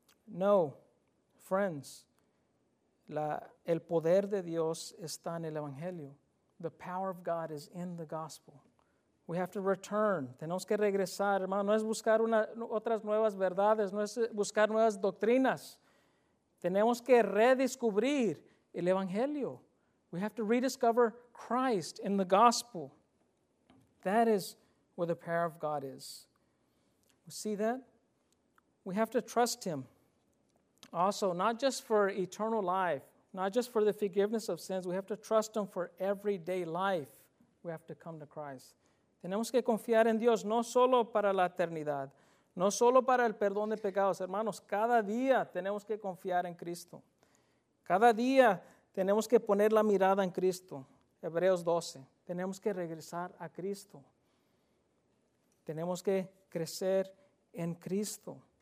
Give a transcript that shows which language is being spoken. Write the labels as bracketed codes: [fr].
[en] No, friends, [es] el poder de Dios está en el Evangelio. [en] The power of God is in the gospel. We have to return. [es] Tenemos que regresar, hermano. No es buscar otras nuevas verdades. No es buscar nuevas doctrinas. Tenemos que redescubrir el Evangelio. [en] We have to rediscover Christ in the gospel. That is where the power of God is. See that? We have to trust him. Also, not just for eternal life, not just for the forgiveness of sins, we have to trust him for everyday life. We have to come to Christ. [es] Tenemos que confiar en Dios, no solo para la eternidad, no solo para el perdón de pecados. Hermanos, cada día tenemos que confiar en Cristo. Cada día tenemos que poner la mirada en Cristo. Hebreos 12. Tenemos que regresar a Cristo. Tenemos que crecer en Cristo.